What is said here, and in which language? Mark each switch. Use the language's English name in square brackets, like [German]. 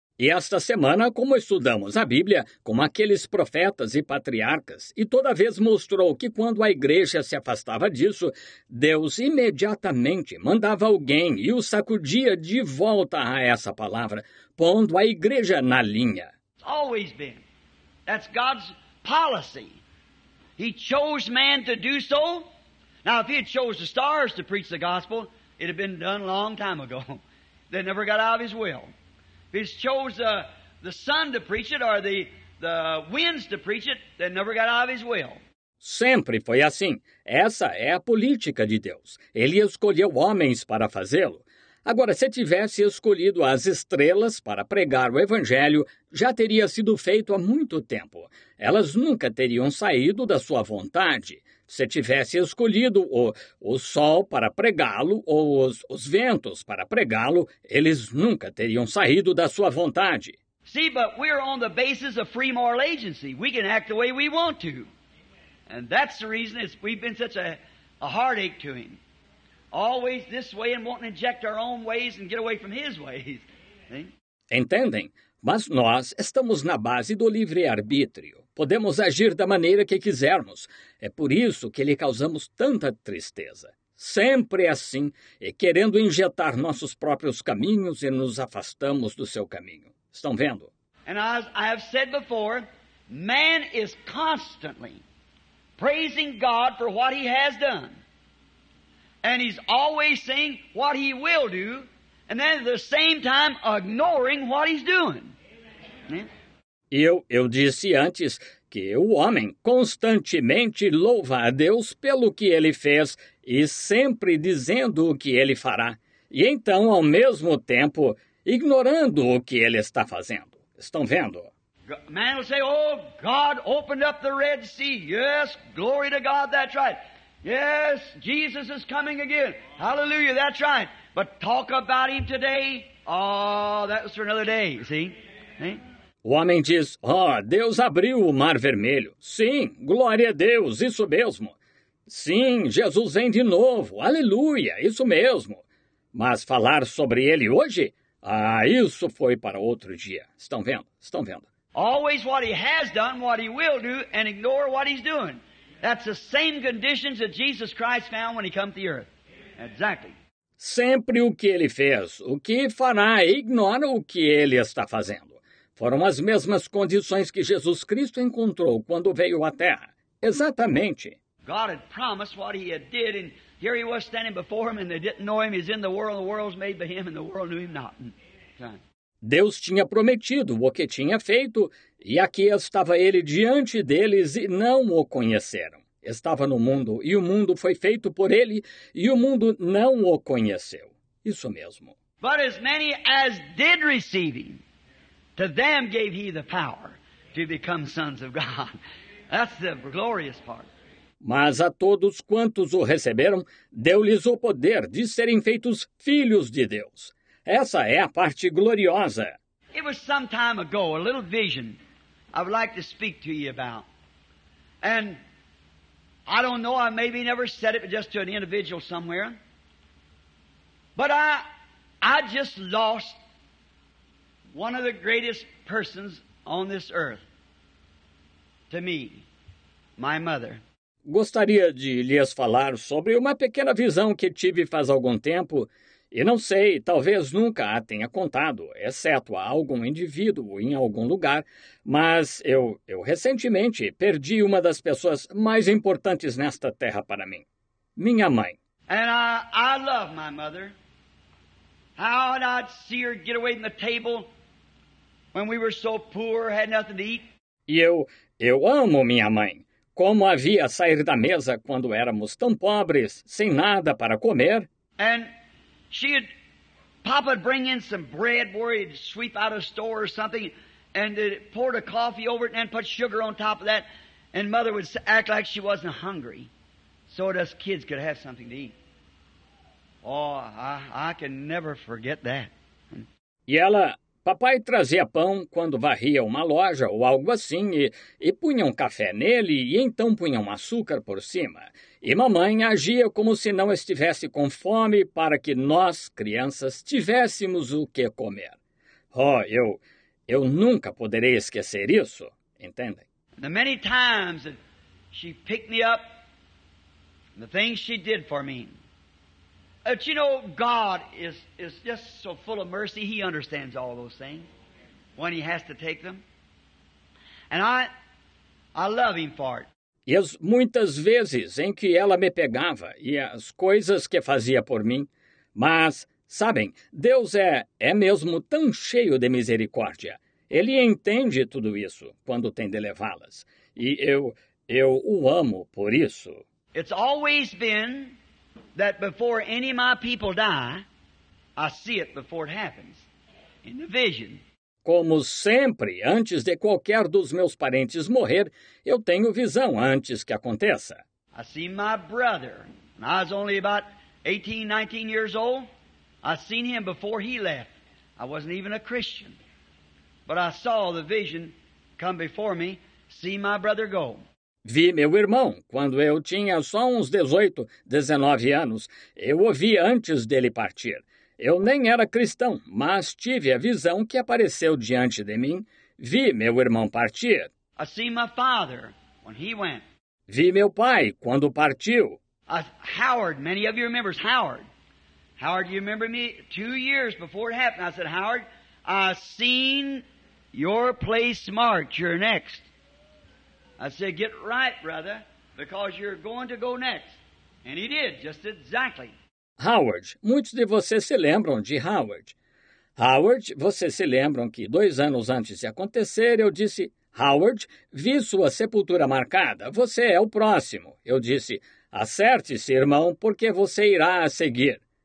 [Portuguese] E esta semana, como estudamos a Bíblia, com aqueles profetas e patriarcas, e toda vez mostrou que quando a igreja se afastava disso, Deus imediatamente mandava alguém e o sacudia de volta a essa palavra, pondo a igreja na linha. [English] It's always been. That's God's policy. He chose man to do so. Now, if he had chose the stars to preach the gospel, it had been done a long time ago. They never got out of his will. He's chose the sun to preach it or the winds to preach it, they never got out of his will. [Portuguese] Sempre foi assim. Essa é a política de Deus. Ele escolheu homens para fazê-lo. Agora, se tivesse escolhido as estrelas para pregar o evangelho, já teria sido feito há muito tempo. Elas nunca teriam saído da sua vontade. Se tivesse escolhido o sol para pregá-lo ou os ventos para pregá-lo, eles nunca teriam saído da sua vontade. [English] See, but we're on the basis of free moral agency. We can act the way we want to. And that's the reason is we've been such a heartache to him. Always this way and wanting to inject our own ways and get away from his ways. [Portuguese] Entendem? Mas nós estamos na base do livre-arbítrio. Podemos agir da maneira que quisermos. É por isso que lhe causamos tanta tristeza. Sempre assim, e querendo injetar nossos próprios caminhos e nos afastamos do seu caminho. Estão vendo? [English] And as I have said before, man is constantly praising God for what he has done. And he's always saying what he will do, and then at the same time ignoring what he's doing. [Portuguese] Eu disse antes que o homem constantemente louva a Deus pelo que ele fez e sempre dizendo o que ele fará, e então, ao mesmo tempo, ignorando o que ele está fazendo. Estão vendo? [English] Man will say, oh, God opened up the Red Sea. Yes, glory to God, that's right. Yes, Jesus is coming again. Hallelujah, that's right. But talk about him today, oh, that was for another day, see? [Portuguese] O homem diz, oh, Deus abriu o mar vermelho. Sim, glória a Deus, isso mesmo. Sim, Jesus vem de novo, aleluia, isso mesmo. Mas falar sobre ele hoje, ah, isso foi para outro dia. Estão vendo? Estão vendo? [English] Always what he has done, what he will do, and ignore what he's doing. That's the same conditions that Jesus Christ found when he came to the earth. Exactly. [Portuguese] Sempre o que ele fez, o que fará, ignora o que ele está fazendo. Foram as mesmas condições que Jesus Cristo encontrou quando veio à Terra. Exatamente. [English] God had promised what he had did, and here he was standing before him, and they didn't know him. He's in the world's made by him, and the world knew him not. [Portuguese] Deus tinha prometido o que tinha feito, e aqui estava ele diante deles, e não o conheceram. Estava no mundo, e o mundo foi feito por ele, e o mundo não o conheceu. Isso mesmo. [English] But as many as did receive him, to them gave he the power to become sons of God. That's the glorious part. [Portuguese] Mas a todos quantos o receberam, deu-lhes o poder de serem feitos filhos de Deus. Essa é a parte gloriosa. [English] It was some time ago, a little vision I would like to speak to you about. And I don't know, I maybe never said it, but just to an individual somewhere. But I just lost one of the greatest persons on this earth, to me, my mother. [Portuguese] Gostaria de lhes falar sobre uma pequena visão que tive faz algum tempo, e não sei, talvez nunca a tenha contado, exceto a algum indivíduo em algum lugar, mas eu recentemente perdi uma das pessoas mais importantes nesta terra para mim, minha mãe. [English] And I love my mother. How I'd see her get away from the table when we were so poor, had nothing to eat. [Portuguese] E eu amo minha mãe. Como a via sair da mesa quando éramos tão pobres, sem nada para comer. [English] And she'd, Papa would bring in some bread where he'd sweep out a store or something and pour the coffee over it and put sugar on top of that. And Mother would act like she wasn't hungry so that us kids could have something to eat. Oh, I can never forget that. [Portuguese] E ela, papai trazia pão quando varria uma loja ou algo assim e punha um café nele e então punha um açúcar por cima. E mamãe agia como se não estivesse com fome para que nós, crianças, tivéssemos o que comer. Oh, eu nunca poderei esquecer isso, entendem? [English] The many times that she picked me up, the things she did for me. But you know, God is just so full of mercy. He understands all those things when he has to take them. And I love him for it. [Portuguese] E as muitas vezes em que ela me pegava e as coisas que fazia por mim. Mas, sabem, Deus é mesmo tão cheio de misericórdia. Ele entende tudo isso quando tem de levá-las. E eu o amo por isso. [English] It's always been that before any of my people die, I see it before it happens, in the vision. [Portuguese] Como sempre, antes de qualquer dos meus parentes morrer, eu tenho visão antes que aconteça. [English] I see my brother, when I was only about 18, 19 years old, I seen him before he left. I wasn't even a Christian, but I saw the vision come before me, see my brother go. [Portuguese] Vi meu irmão quando eu tinha só uns 18, 19 anos. Eu o vi antes dele partir. Eu nem era cristão, mas tive a visão que apareceu diante de mim. Vi meu irmão partir. [English] I see my father when he went. [Portuguese] Vi meu pai quando partiu. [English] Howard, many of you remember Howard. Howard, you remember me 2 years before it happened. I said, Howard, I seen your place marked. You're next. I said, get right, brother, because you're going to go next. And he did, just exactly. [Portuguese] Howard, muitos de vocês se lembram de Howard. Howard, vocês se lembram que 2 anos antes de acontecer, eu disse, Howard, vi sua sepultura marcada, você é o próximo. Eu disse, acerte-se, irmão, porque você irá a seguir.